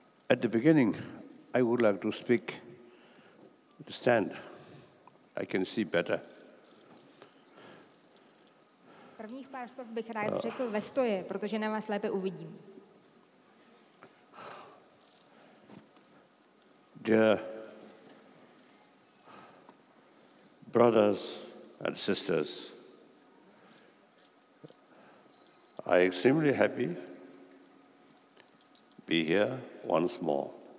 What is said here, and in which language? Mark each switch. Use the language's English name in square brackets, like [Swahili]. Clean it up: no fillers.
[English] At the beginning, I would like to speak to stand. I can see better. [Czech] Prvních pár slov bych rád řekl ve stoje, protože na vás lépe uvidím. [English] Dear brothers and sisters, I am extremely happy to be here once more.